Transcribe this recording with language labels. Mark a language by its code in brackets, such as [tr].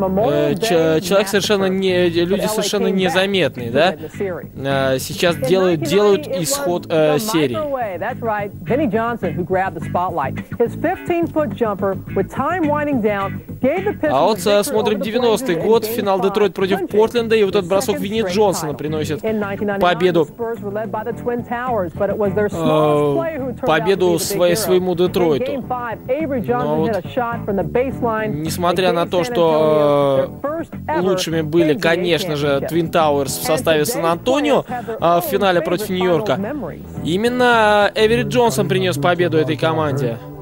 [ru] Люди совершенно незаметные, да? Сейчас делают исход серии. [en] That's right. Vinny Johnson, who grabbed the spotlight. His 15-foot jumper with time winding down gave the Pistons. [ru] А вот смотрим 90-й год, финал Детройт против Портленда, и вот этот бросок Винни Джонсона приносит победу. Победу своему Детройту. Несмотря на то, что лучшими были, конечно же, Твин Тауэрс в составе Сан-Антонио в финале против Нью-Йорка, именно Эвери Джонсон принес победу этой команде.